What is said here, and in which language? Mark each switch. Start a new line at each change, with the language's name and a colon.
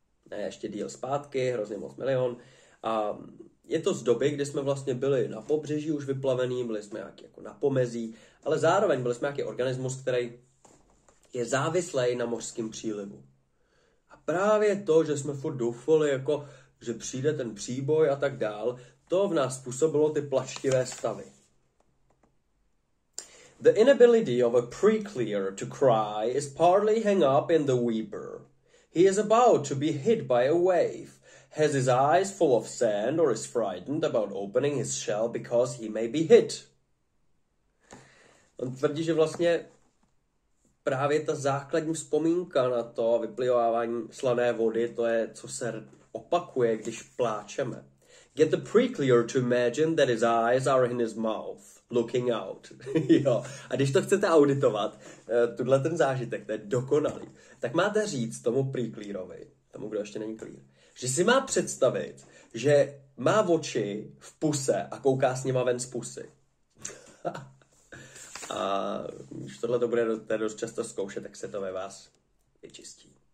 Czech: Ne, ještě díl zpátky, hrozně moc milion. A je to z doby, kdy jsme vlastně byli na pobřeží už vyplavený, byli jsme nějaký jako na pomezí, ale zároveň byli jsme nějaký organismus, který je závislý na mořském přílivu. A právě to, že jsme furt doufali, jako, že přijde ten příboj a tak dál, to v nás způsobilo ty plačtivé stavy.
English: The inability of a preclear to cry is partly hung up in the weeper. He is about to be hit by a wave. Has his eyes full of sand or is frightened about opening his shell because he may be hit.
Czech: On tvrdí, že vlastně právě ta základní vzpomínka na to vyplivávání slané vody, to je, co se opakuje, když pláčeme.
English: Get the preclear to imagine that his eyes are in his mouth, looking out.
Czech: Jo. A když to chcete auditovat, tuhle ten zážitek, to je dokonalý, tak máte říct tomu preclearovi, tomu, kdo ještě není clear, že si má představit, že má oči v puse a kouká s nima ven z pusy. A když tohle to bude dost často zkoušet, tak se to ve vás vyčistí.